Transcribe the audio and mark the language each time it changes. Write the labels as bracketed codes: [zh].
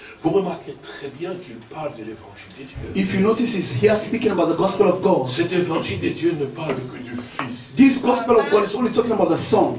[fr] Vous remarquez très bien qu'il parle de l'évangile de Dieu. [en] If you notice, he is speaking about the gospel of God. [fr] Cet évangile de Dieu ne parle que du Fils. [en] This gospel of God is only talking about the Son.